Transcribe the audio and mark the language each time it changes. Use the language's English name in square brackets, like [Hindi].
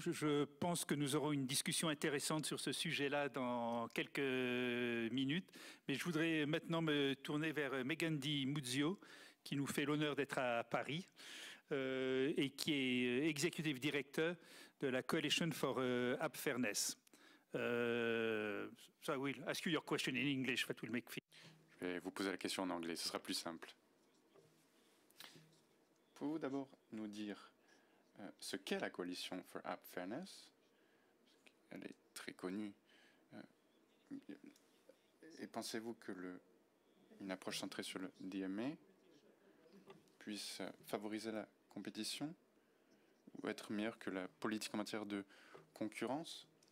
[French] Je pense que nous aurons une discussion intéressante sur ce sujet-là dans quelques minutes. Mais je voudrais maintenant me tourner vers Megan Di Muzio, qui nous fait l'honneur d'être à Paris et qui est executive director de la Coalition for App Fairness. [English] So I will ask you your question in English, but we'll make it. [French] Je vais vous poser la question en anglais, ce sera plus simple. Pouvez-vous d'abord nous dire ce qu'est la coalition for App Fairness, elle est très connue. Et pensez-vous que une approche centrée sur le DMA puisse favoriser la compétition ou être meilleure que la politique en matière de concurrence?